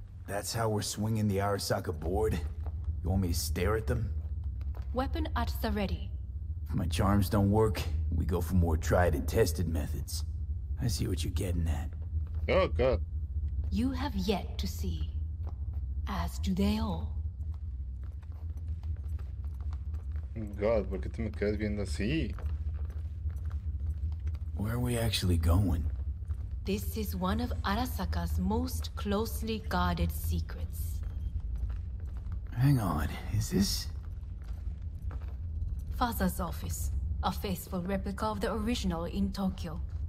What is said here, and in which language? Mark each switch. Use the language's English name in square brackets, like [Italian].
[English] That's how we're swinging the Arasaka board? You want me to stare at them? Weapon at the ready. If my charms don't work, we go for more tried and tested methods. I see what you're getting at. Oh, God. You have yet to see, as do they all. [Spanish] God, ¿por qué te me quedas viendo así? [English] Where are we actually going? This is one of Arasaka's most closely guarded secrets. Hang on, is this? Father's office, a faithful replica of the original in Tokyo.